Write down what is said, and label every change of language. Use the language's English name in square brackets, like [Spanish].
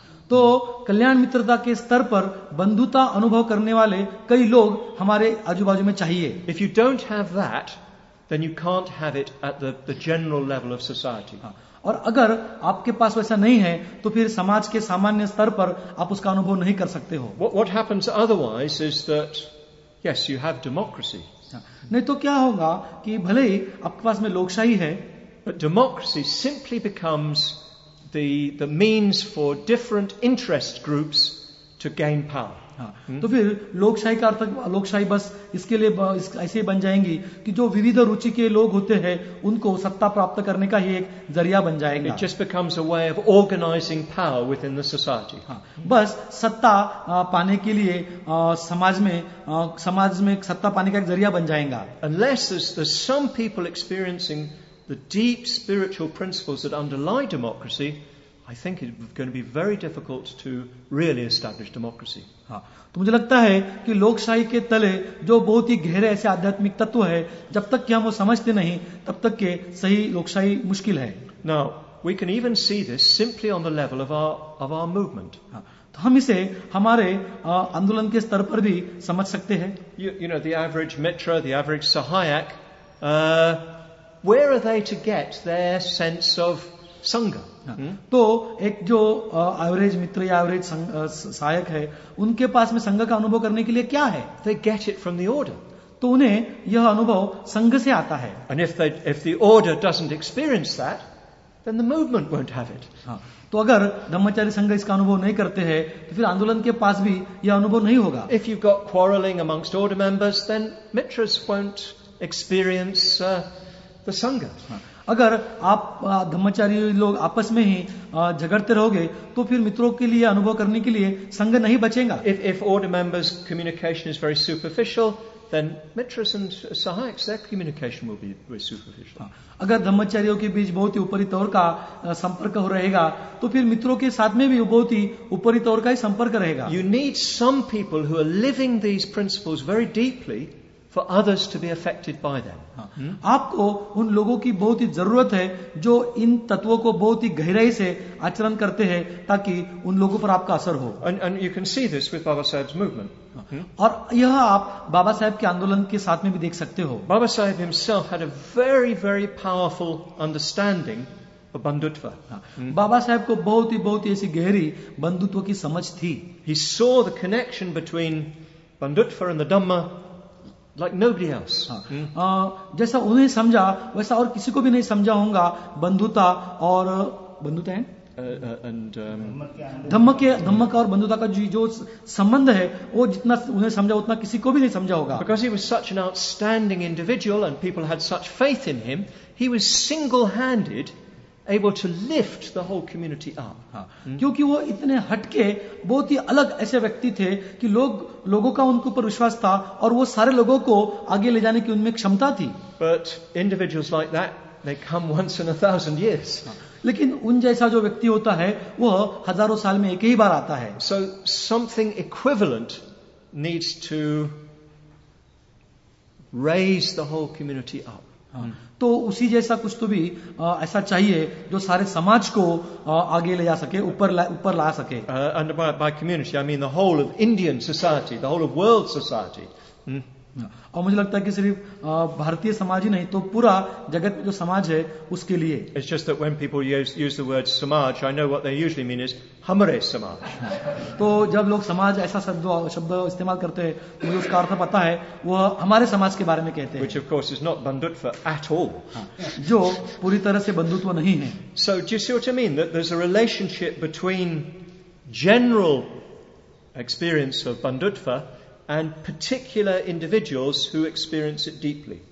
[Hindi] तो कल्याण मित्रता के स्तर पर बंधुता अनुभव करने वाले कई लोग हमारे आजू बाजू में चाहिए. [English] If you don't have that, then you can't have it at the general level of society. [Hindi] और अगर आपके पास वैसा नहीं है तो फिर समाज के सामान्य स्तर पर आप उसका अनुभव नहीं कर सकते हो. [English] What happens otherwise is that, Yes, you have democracy. [Hindi] नहीं तो क्या होगा कि भले ही आपके पास में लोकशाही है, [English] but democracy simply becomes the means for different interest groups to gain power. [Hindi] तो फिर लोकशाही का अर्थ लोकशाही बस इसके लिए ऐसे ही बन जाएंगी कि जो विविध रुचि के लोग होते हैं उनको सत्ता प्राप्त करने का ही एक जरिया बन जाएगा. [English] It just becomes a way of organizing power within the society. [Hindi] बस सत्ता पाने के लिए समाज में सत्ता पाने का एक जरिया बन जाएगा. [English] Unless there's some people experiencing the deep spiritual principles that underlie democracy, I think it's going to be very difficult to really establish democracy. [Hindi] तो मुझे लगता है कि लोकशाही के तले जो बहुत ही गहरे ऐसे आध्यात्मिक तत्व है, जब तक कि हम वो समझते नहीं तब तक के सही लोकशाही मुश्किल है. [English] Now, we can even see this simply on the level of our movement. [Hindi] तो हम इसे हमारे आंदोलन के स्तर पर भी समझ सकते हैं. [English] You know, the average mitra, the average sahayak, where are they to get their sense of sangha? [Hindi] तो एक जो एवरेज मित्र या एवरेज सहायक है उनके पास में संघ का अनुभव करने के लिए क्या है? [English] They get it from the order. [Hindi] तो उन्हें यह अनुभव संघ से आता है. [English] And if the order doesn't experience that, then the movement won't have it. [Hindi] तो अगर धर्मचारी संघ इसका अनुभव नहीं करते हैं तो फिर आंदोलन के पास भी यह अनुभव नहीं होगा. [English] If you've got quarreling amongst order members, then mitras won't experience the sangha. [Hindi] अगर आप धर्मचारी लोग आपस में ही झगड़ते रहोगे तो फिर मित्रों के लिए अनुभव करने के लिए संघ नहीं बचेगा. [English] If order members' communication is very superficial, then mitras and sahayaks, their communication will be very superficial. [Hindi] अगर धर्मचारियों के बीच बहुत ही ऊपरी तौर का संपर्क हो रहेगा तो फिर मित्रों के साथ में भी बहुत ही ऊपरी तौर का ही संपर्क रहेगा. [English] You need some people who are living these principles very deeply for others to be affected by them. [Hindi] आपको उन लोगों की बहुत ही जरूरत है जो इन तत्वों को बहुत ही गहराई से आचरण करते हैं ताकि उन लोगों पर आपका असर हो. [English] And you can see this with Baba Saheb's movement. [Hindi] और यह आप बाबा साहेब के आंदोलन के साथ में भी देख सकते हो. [English] Baba Saheb himself had a very, very powerful understanding of bandhutva. [Hindi] Baba Saheb को बहुत ही ऐसी गहरी बंधुत्व की समझ थी. [English] He saw the connection between bandhutva and the Dhamma like nobody else. [Hindi] जैसा उन्हें समझा वैसा और किसी को भी नहीं समझा होगा. बंधुता और बंधुता धम्म का और बंधुता का जो संबंध है वो जितना उन्हें समझा उतना किसी को भी नहीं समझा होगा. [English] Because he was such an outstanding individual and people had such faith in him, he was single-handed able to lift the whole community up. [Hindi] क्योंकि वो इतने हटके बहुत ही अलग ऐसे व्यक्ति थे कि लोगों का उनके ऊपर विश्वास था और वो सारे लोगों को आगे ले जाने की उनमें क्षमता थी. [English] But individuals like that, they come once in a thousand years. [Hindi] लेकिन उन जैसा जो व्यक्ति होता है वह हजारों साल में एक ही बार आता है. [English] So something equivalent needs to raise the whole community up. [Hindi] तो उसी जैसा कुछ तो भी ऐसा चाहिए जो सारे समाज को आगे ले जा सके, ऊपर ला सके. [English] And by community, I mean the whole of Indian society, the whole of world society. [Hindi] और मुझे लगता है कि सिर्फ भारतीय समाज ही नहीं तो पूरा जगत में जो समाज है उसके लिए. [English] It's just that when people use the word समाज, I know what they usually mean is [Hindi] हमारे समाज. तो जब लोग समाज ऐसा शब्द इस्तेमाल करते हैं तो मुझे उसका अर्थ पता है वह हमारे समाज के बारे में कहते हैं. [English] Which of course is not bandhutva at all. [Hindi] जो पूरी तरह से बंधुत्व नहीं है. [English] So do you see what I mean? That there's a relationship between general experience of bandhutva and particular individuals who experience it deeply.